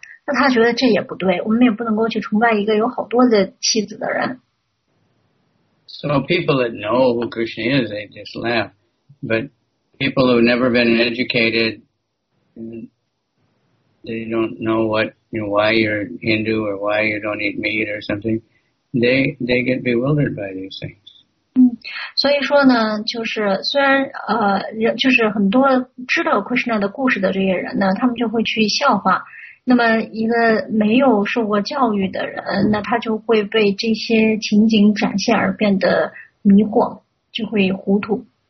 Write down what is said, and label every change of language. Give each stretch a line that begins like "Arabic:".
Chinese: 那他觉得这也不对，我们也不能够去崇拜一个有好多的妻子的人。
English: So people that know who Krishna is, they just laugh. But people who've never been educated, they don't know what, you know, why you're Hindu or why you don't eat meat or something. They get bewildered by these things.
Chinese: 所以说呢，就是虽然就是很多知道 Krishna 的故事的这些人呢，他们就会去笑话。那么一个没有受过教育的人，那他就会被这些情景展现而变得迷惑，就会糊涂。